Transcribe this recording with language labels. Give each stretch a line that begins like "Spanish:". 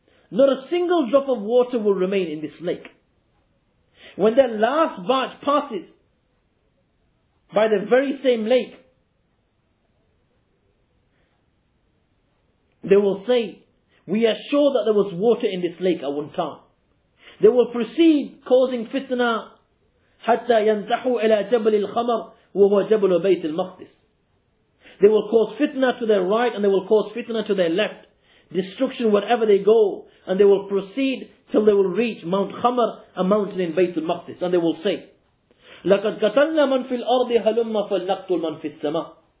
English: Not a single drop of water will remain in this lake. When their last batch passes by the very same lake, they will say, we are sure that there was water in this lake at one time. They will proceed causing fitna,
Arabic: حَتَّى يَنْتَحُوا إِلَى جَبْلِ الْخَمَرِ وَهُوَ جَبْلُ بَيْتِ الْمَقْدِسِ.
English: They will cause fitna to their right and they will cause fitna to their left. Destruction wherever they go, and they will proceed till they will reach Mount Khamar, a mountain in Baytul Maqdis, and they will say,
Arabic: لَقَدْ قَتَلْنَا مَنْ فِي الْأَرْضِ هَلُمَّ فَلْنَقْتُلْ مَنْ فِي السَّمَاءِ.